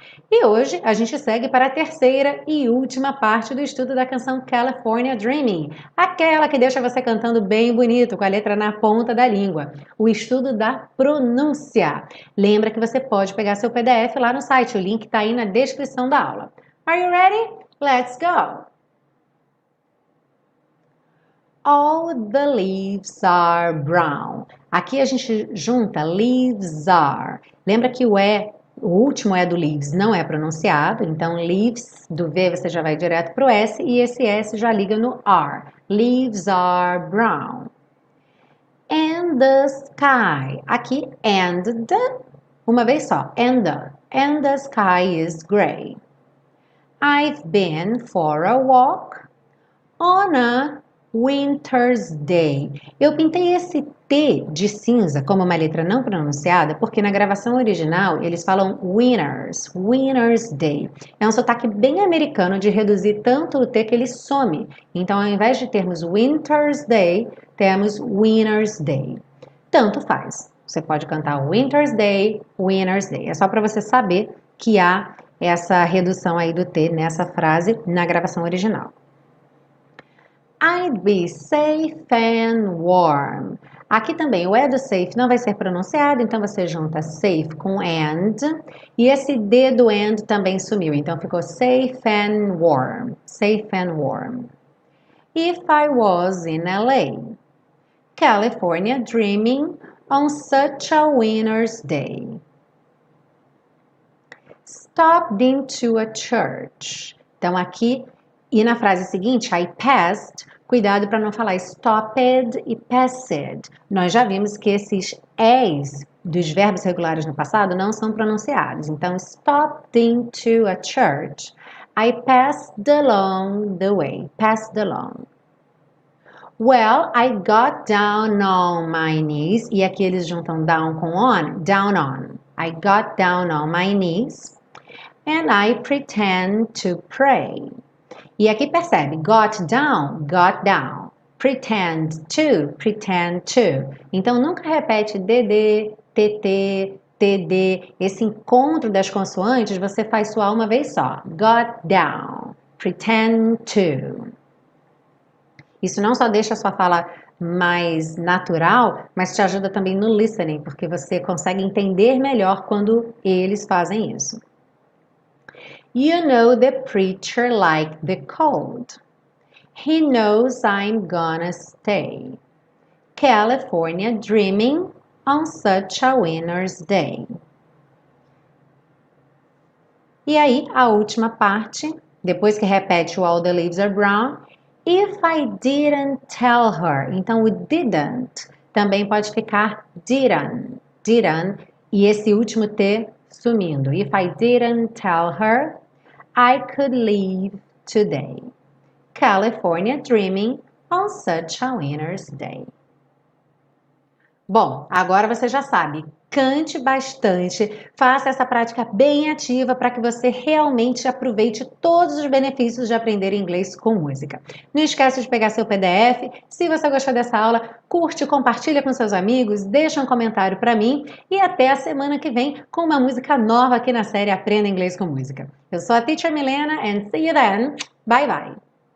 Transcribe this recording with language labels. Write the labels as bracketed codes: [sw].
[pt] E hoje a gente segue para a terceira e última parte do estudo da canção California Dreaming, aquela que deixa você cantando bem bonito, com a letra na ponta da língua, o estudo da pronúncia. Lembra que você pode pegar seu PDF lá no site, o link está aí na descrição da aula. [en] Are you ready? Let's go. All the leaves are brown. [pt] Aqui a gente junta leaves are. Lembra que o último é do leaves não é pronunciado, então leaves do V você já vai direto pro S e esse S já liga no R. [en] Leaves are brown. And the sky. Aqui and the, [pt] uma vez só. [en] And the sky is gray. I've been for a walk on a winter's day. [pt] Eu pintei esse T de cinza como uma letra não pronunciada porque na gravação original eles falam winners, winner's day. É um sotaque bem americano de reduzir tanto o T que ele some. Então, ao invés de termos winter's day, temos winner's day. Tanto faz. Você pode cantar winter's day, winner's day. É só para você saber que há essa redução aí do T nessa frase na gravação original. [en] I'd be safe and warm. [pt] Aqui também o E do safe não vai ser pronunciado, então você junta safe com and. E esse D do and também sumiu, então ficou safe and warm. [en] Safe and warm. If I was in LA, California dreaming on such a winter's day. Stopped into a church. [pt] Então aqui e na frase seguinte, I passed, cuidado para não falar stopped e passed. Nós já vimos que esses es dos verbos regulares no passado não são pronunciados. [en] Então, stopped into a church. I passed along the way. Passed along. Well, I got down on my knees. [pt] E aqui eles juntam down com on. [en] Down on. I got down on my knees. And I pretend to pray. [pt] E aqui percebe, got down, pretend to. Então nunca repete DD, TT, TD. Esse encontro das consoantes você faz soar uma vez só. Got down, pretend to. Isso não só deixa a sua fala mais natural, mas te ajuda também no listening, porque você consegue entender melhor quando eles fazem isso. [en] You know the preacher like the cold. He knows I'm gonna stay. California dreaming on such a winter's day. [pt] E aí, a última parte, depois que repete o All the leaves are brown. [en] If I didn't tell her. Então, o didn't [pt] também pode ficar [en] didn't. Didn't. [pt] E esse último T sumindo. [en] If I didn't tell her. I could leave today. California dreaming on such a winter's day. [pt] Bom, agora você já sabe. Cante bastante. Faça essa prática bem ativa para que você realmente aproveite todos os benefícios de aprender inglês com música. Não esquece de pegar seu PDF. Se você gostou dessa aula, curte, compartilha com seus amigos, deixa um comentário para mim e até a semana que vem com uma música nova aqui na série Aprenda Inglês com Música. Eu sou a Teacher Milena [en] and see you then. Bye bye.